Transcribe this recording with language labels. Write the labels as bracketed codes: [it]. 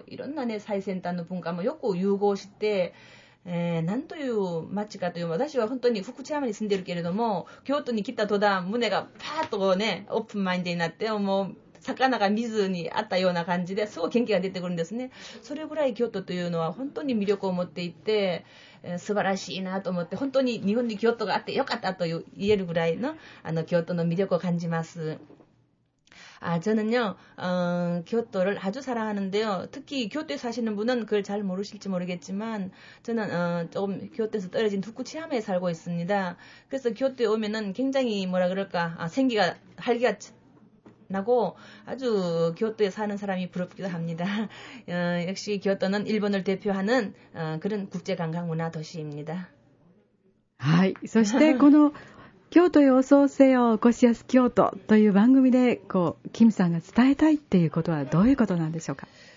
[ja] 印象は本当に京都はね、なんか京都にいるだけで幸せです。なんかホッとするし、本当に昔のこう伝統がそのままよく守られて、まだ現代のいろんなね、最先端の文化もよく融合して、 なんという町かという、私は本当に福知山に住んでるけれども、京都に来た途端、胸がパーッとね、オープンマインドになって、もう魚が水にあったような感じで、すごい元気が出てくるんですね。それぐらい京都というのは本当に魅力を持っていて、素晴らしいなと思って、本当に日本に京都があってよかったという言えるぐらいの、京都の魅力を感じます。 [ko] 저는요, 京都를 아주 사랑하는데요. 특히 京都에 사시는 분은 그걸 잘 모르실지 모르겠지만, 저는 조금 京都에서 떨어진 후쿠치야마에 살고 있습니다. 그래서 京都에 오면은 굉장히 뭐라 그럴까, 생기가, 활기가 나고 아주 京都에 사는 사람이 부럽기도 합니다. 역시 京都는 일본을 대표하는 그런 국제 관광 문화 도시입니다. [ja] 하이, そしてこの 京都へお送せよ、起こしやす京都という番組で、こう、キムさんが伝えたいっていうことはどういうことなんでしょうか?